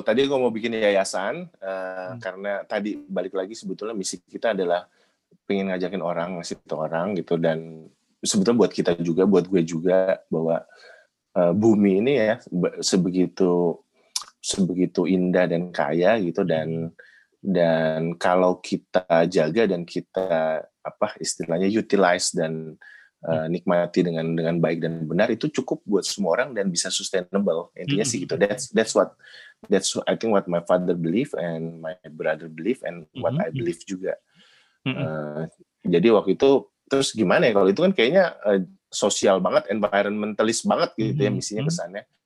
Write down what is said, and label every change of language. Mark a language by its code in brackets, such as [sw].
[id] Tadi gue mau bikin yayasan karena tadi balik lagi sebetulnya misi kita adalah pengen ngajakin orang, ngasih tau orang gitu, dan sebetulnya buat kita juga, buat gue juga, bahwa bumi ini ya sebegitu indah dan kaya gitu, dan kalau kita jaga dan kita utilize dan nikmati dengan baik dan benar, itu cukup buat semua orang dan bisa sustainable intinya sih gitu. [en] That's what I think my father believe and my brother believe and what I believe juga. [id] Jadi waktu itu terus gimana ya, kalau itu kan kayaknya sosial banget, environmentalist banget gitu ya misinya kesannya.